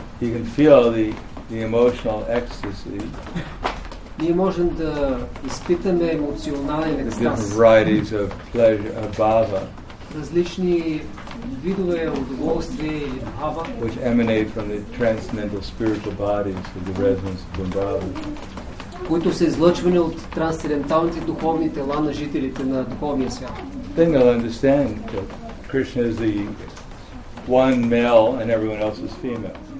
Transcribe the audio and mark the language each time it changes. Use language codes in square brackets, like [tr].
[en] You can feel the emotional ecstasy. [bg] Ние можем да изпитаме емоционален екстаз. [en] The different varieties of pleasure, of bhava. [bg] Различни видове удоволствие или бхава. [en] Which emanate from the transcendental spiritual bodies of the residents of Vrindavan. [bg] Които са излъчвани от трансценденталните духовни тела на жителите на духовния свят. [en] Then you'll understand that Krishna is the one male and everyone else is female.